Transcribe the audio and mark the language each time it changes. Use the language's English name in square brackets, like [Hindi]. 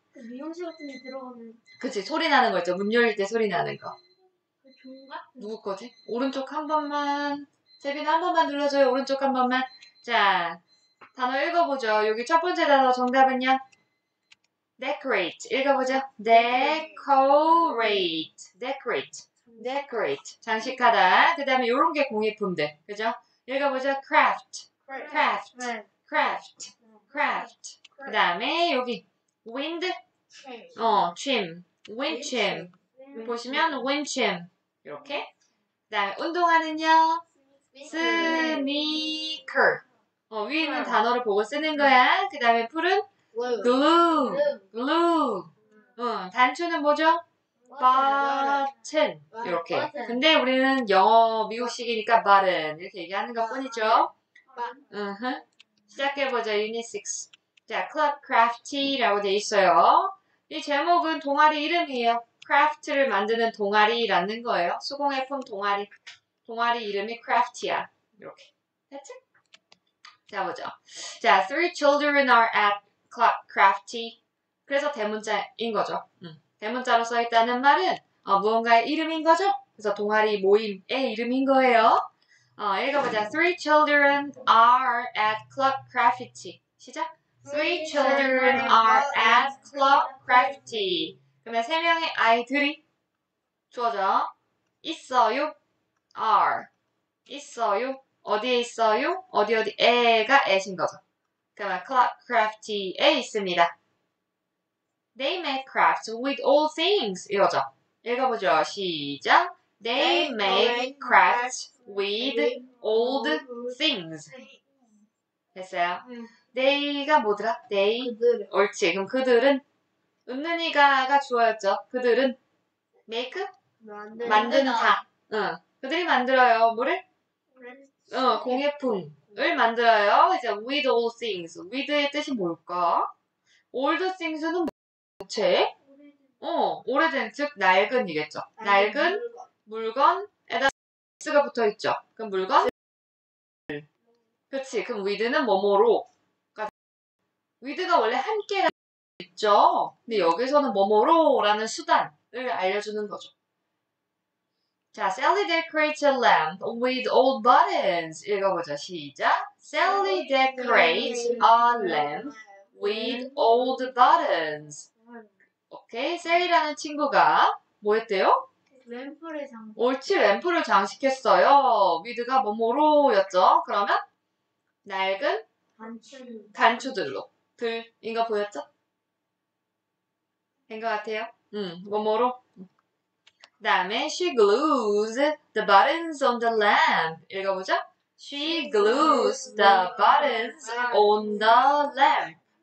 [Korean] 그 미용실 같은 데 들어가면 그치, 소리 나는 거 있죠. 문 열릴 때 소리 나는 거. 그종 같은 누구 거지? 오른쪽 한 번만. 재빈아 한 번만 눌러줘요. 오른쪽 한 번만. 자, 단어 읽어보죠. 여기 첫 번째 단어 정답은요? decorate 읽어보죠. [English] decorate, decorate, decorate [Korean] 장식하다. 그다음에 요런 게 공예품들, 그죠? 읽어보죠. [English] craft, craft, craft, craft. [Korean] 그다음에 여기 [English] wind, chim, wind chim. [Korean] 보시면 wind chim 이렇게. 그다음에 운동화는요. sneaker. 위에 있는 단어를 보고 쓰는 거야. 그다음에 풀은 glue. 루. 단추는 뭐죠? 버튼. 이렇게. 근데 우리는 영어 미국식이니까 버튼 이렇게 얘기하는 것뿐이죠. 시작해보자. 유니식스. 자, 클럽 크래프티라고 돼 있어요. 이 제목은 동아리 이름이에요. 크래프트를 만드는 동아리라는 거예요. 수공예품 동아리. 동아리 이름이 크래프티야. 이렇게. 자, 보죠. [English] 자, three children are at club crafty. [Korean] 그래서 대문자인 거죠. 대문자로 써 있다는 말은 무언가의 이름인 거죠. 그래서 동아리 모임의 이름인 거예요. 읽어보자. [English] Three children are at club crafty. [Korean] 시작. [English] Three children are at club crafty. [Korean] 그러면 세 명의 아이들이 주어져 있어요. Are 있어요. 어디에 있어요? 어디 에가 에신 거죠. 그러면 club crafty에 있습니다. [English] They make crafts with old things. [Korean] 이거죠. 읽어보죠. 시작. [English] They make crafts with old things. [Korean] 됐어요. They가 뭐더라? They. 그들. 옳지. 그럼 그들은? 은는 이가가 주어였죠. 그들은? make? 만드는 만들다. 다. 그들이 만들어요. 뭐를? 공예품을 만들어요. 이제 [English] with old things. [Korean] with의 뜻이 뭘까? old things는 부채, 오래된, 즉, 낡은이겠죠. 낡은 물건에다 s가 붙어 있죠. 그럼 물건? 그치. 그럼 with는 뭐뭐로. with가 원래 함께라는 뜻이죠. 근데 여기서는 뭐뭐로라는 수단을 알려주는 거죠. [English] 자, Sally decorates a lamp with old buttons. [Korean] 읽어보자. 시작. [English] Sally decorates a lamp with old buttons. [Korean] 오케이, 셀리라는 친구가 뭐 했대요? 램프를 옳지, 램프를 장식했어요. 위드가 뭐뭐로였죠? 그러면 낡은 단추. 단추들로 들인가 보였죠? 된것 같아요. 뭐뭐로. 그다음에 [English] she glues the buttons on the lamp. [Korean] 읽어보죠. [English] She glues the buttons on the lamp.